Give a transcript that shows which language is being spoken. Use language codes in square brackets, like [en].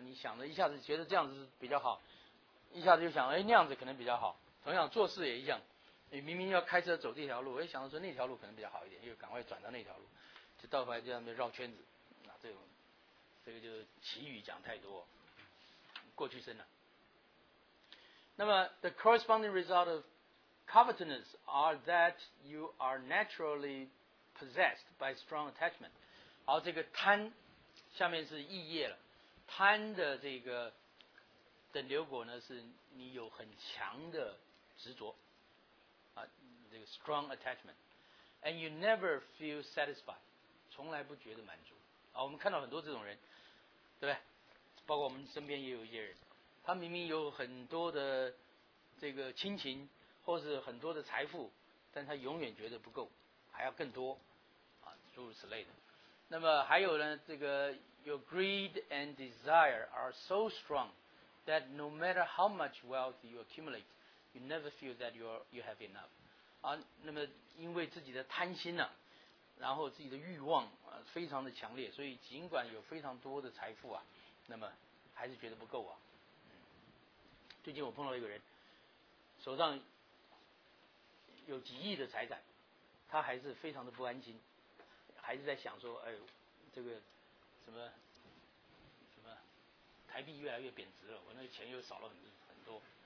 [zh] 你想着一下子觉得这样子比较好，一下子就想，哎，那样子可能比较好。同样做事也一样，你明明要开车走这条路，我也想着说那条路可能比较好一点，又赶快转到那条路，就到后来就在那边绕圈子。这个就是奇语讲太多，过去生了。那么 [en] the corresponding result of covetousness are that you are naturally possessed by strong attachment. [zh] 好，这个贪，下面是意业了。贪的这个等流果呢，是你有很强的执着啊，这个 [en] strong attachment, and you never feel satisfied, [zh] 从来不觉得满足。啊，我们看到很多这种人，对吧？包括我们身边也有一些人，他明明有很多的这个亲情，或是很多的财富，但他永远觉得不够，还要更多，啊，诸如此类的。那么还有呢，这个 [en] your greed and desire are so strong that no matter how much wealth you accumulate, you never feel that you have enough. [zh] 啊，那么因为自己的贪心呢、啊？然后自己的欲望啊非常的强烈，所以尽管有非常多的财富啊，那么还是觉得不够啊。最近我碰到一个人，手上有几亿的财产，他还是非常的不安心，还是在想说，哎，这个什么什么台币越来越贬值了，我那个钱又少了很多。